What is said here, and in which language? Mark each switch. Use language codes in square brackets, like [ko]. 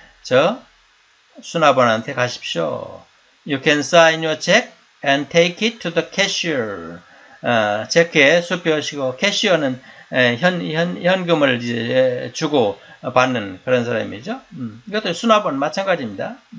[ko] 저 수납원한테 가십시오. [en] You can sign your check and take it to the cashier. [ko] 체크에 수표하시고 캐시어는 현금을 이제 주고 받는 그런 사람이죠. 이것도 수납원 마찬가지입니다.